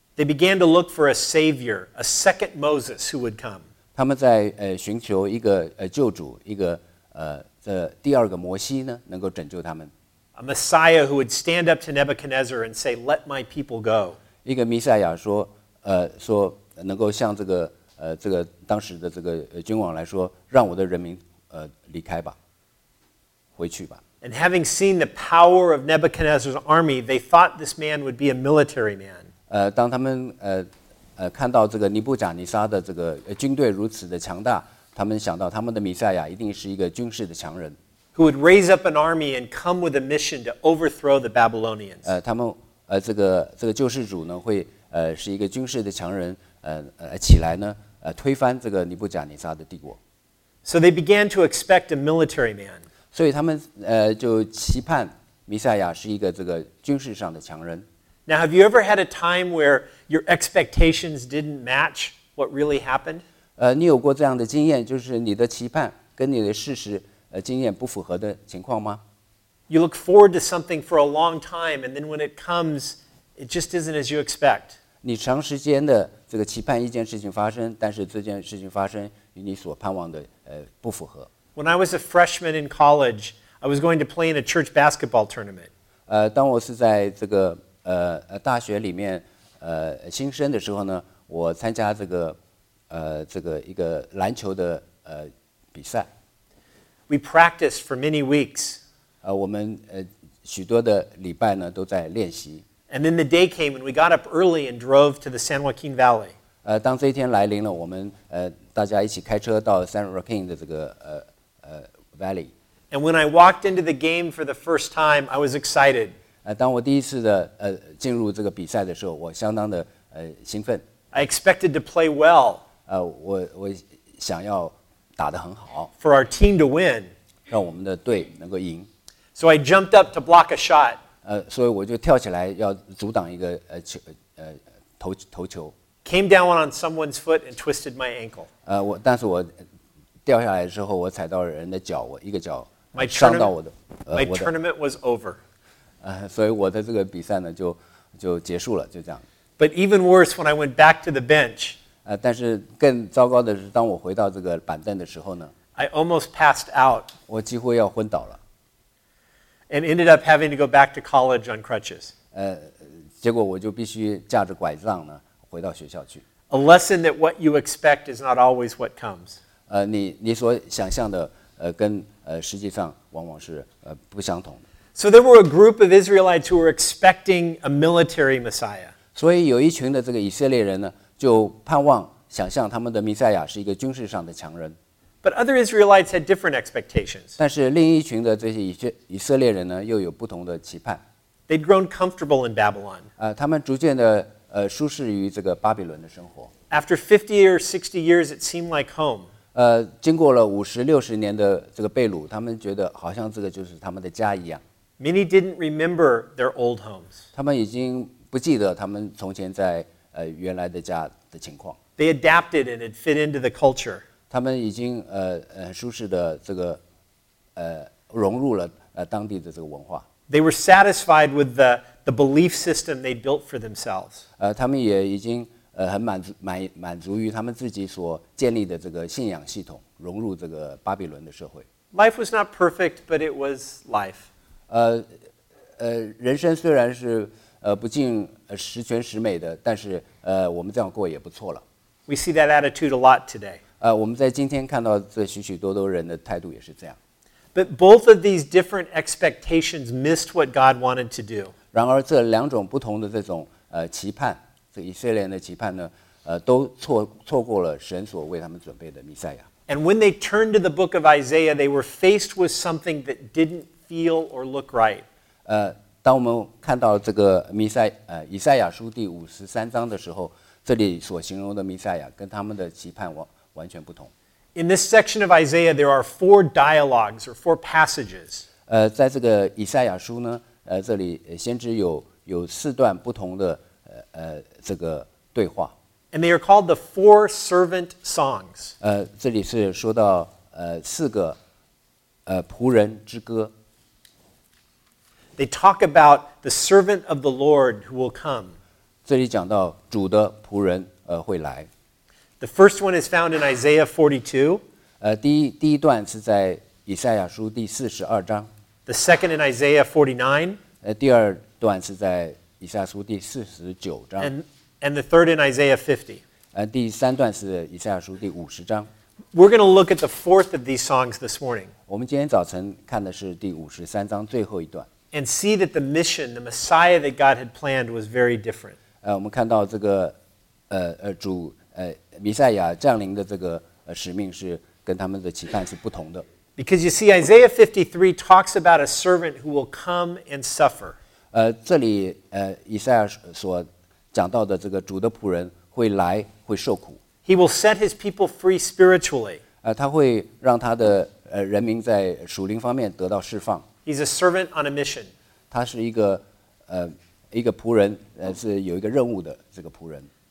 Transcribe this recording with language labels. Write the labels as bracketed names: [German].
[English] They began to look for a savior, a second Moses who would come. [Chinese] 他们在寻求一个救主，一个第二个摩西呢，能够拯救他们。 [English] A Messiah who would stand up to Nebuchadnezzar and say, "Let my people go." [Chinese] 一个弥赛亚说，说。能够向这个当时的这个君王来说，让我的人民离开吧，回去吧。 [English] And having seen the power of Nebuchadnezzar's army, they thought this man would be a military man. [Chinese] 当他们看到这个尼布甲尼撒的这个军队如此的强大，他们想到他们的弥赛亚一定是一个军事的强人。 [English] Who would raise up an army and come with a mission to overthrow the Babylonians? [Chinese] 他们这个救世主呢，会是一个军事的强人。起来呢，推翻这个尼布甲尼撒的帝国。 [English] So they began to expect a military man. [Chinese] 所以他们就期盼弥赛亚是一个这个军事上的强人。 [English] Now, have you ever had a time where your expectations didn't match what really happened? [Chinese] 你有过这样的经验，就是你的期盼跟你的事实经验不符合的情况吗？ [English] You look forward to something for a long time, and then when it comes, it just isn't as you expect. [Chinese] 你长时间的这个期盼一件事情发生，但是这件事情发生与你所盼望的不符合。 [English] When I was a freshman in college, I was going to play in a church basketball tournament. [Chinese] 当我是在这个大学里面新生的时候呢，我参加这个一个篮球的比赛。 [English] We practiced for many weeks. [Chinese] 我们许多的礼拜呢都在练习。 [English] And then the day came and we got up early and drove to the San Joaquin Valley. [Chinese] 当这一天来临了，我们大家一起开车到 San Joaquin 的这个Valley. [English] And when I walked into the game for the first time, I was excited. [Chinese] 当我第一次的进入这个比赛的时候，我相当的兴奋。 [English] I expected to play well. [Chinese] 我想要打得很好。 [English] For our team to win. [Chinese] 让我们的队能够赢。 [English] So I jumped up to block a shot. [Chinese] 所以我就跳起来要阻挡一个投球。 [English] Came down on someone's foot and twisted my ankle. [Chinese] 但是我掉下来之后，我踩到人的脚，我一个脚伤到我的。 [English] My tournament was over. [Chinese] 所以我的这个比赛呢，就结束了，就这样。 [English] But even worse, when I went back to the bench. [Chinese] 但是更糟糕的是，当我回到这个板凳的时候呢 [English] ，I almost passed out. [Chinese] 我几乎要昏倒了。 [English] And ended up having to go back to college on crutches. [Chinese] 结果我就必须架着拐杖呢。回到学校去。 [English] A lesson that what you expect is not always what comes. [Chinese] 你所想象的跟实际上往往是不相同的。 [English] So there were a group of Israelites who were expecting a military Messiah. [Chinese] 所以有一群的这个以色列人呢，就盼望想象他们的弥赛亚是一个军事上的强人。 [English] But other Israelites had different expectations. [Chinese] 但是另一群的这些以色列人呢，又有不同的期盼。 [English] They'd grown comfortable in Babylon. [Chinese] 他们逐渐的舒适于这个巴比伦的生活。 [English] After 50 or 60 years, it seemed like home. [Chinese] 经过了五十六十年的这个被掳，他们觉得好像这个就是他们的家一样。 [English] Many didn't remember their old homes. [Chinese] 他们已经不记得他们从前在原来的家的情况。 [English] They adapted and it fit into the culture. [Chinese] 他们已经很舒适的这个融入了当地的这个文化。 [English] They were satisfied with the belief system they built for themselves. [Chinese] 他们也已经很满足于他们自己所建立的这个信仰系统，融入这个巴比伦的社会。 [English] Life was not perfect, but it was life. [Chinese] 人生虽然是不尽十全十美的，但是我们这样过也不错了。 [English] We see that attitude a lot today. [Chinese] 我们在今天看到这许许多多人的态度也是这样。 [English] But both of these different expectations missed what God wanted to do. [Chinese] 然而这两种不同的这种期盼，这以色列人的期盼呢，都错过了神所为他们准备的弥赛亚。 [English] And when they turned to the book of Isaiah, they were faced with something that didn't feel or look right. [Chinese] 当我们看到这个以赛亚书第五十三章的时候，这里所形容的弥赛亚跟他们的期盼完全不同。 [English] In this section of Isaiah, there are four dialogues or four passages. [Chinese] 在这个以赛亚书呢。这里先知有四段不同的这个对话。 [English] And they are called the four servant songs. [Chinese] 这里是说到四个仆人之歌。 [English] They talk about the servant of the Lord who will come. [Chinese] 这里讲到主的仆人会来。 [English] The first one is found in Isaiah 42. [Chinese] 第一段是在以赛亚书第四十二章。 [English] The second in Isaiah 49. [Chinese] 第二段是在以赛亚书第四十九章。 [English] And the third in Isaiah 50. [Chinese] 第三段是以赛亚书第五十章。 [English] We're going to look at the fourth of these songs this morning. [Chinese] 我们今天早晨看的是第五十三章最后一段。 [English] And see that the mission, the Messiah that God had planned, was very different. [Chinese] 我们看到这个主弥赛亚降临的这个使命是跟他们的期盼是不同的。 [English] Because you see, Isaiah 53 talks about a servant who will come and suffer. [Chinese] 这里以赛亚所讲到的这个主的仆人会来会受苦。 [English] He will set his people free spiritually. [Chinese] 他会让他的人民在属灵方面得到释放。 [English] He's a servant on a mission. [Chinese] 他是一个一个仆人，是有一个任务的这个仆人。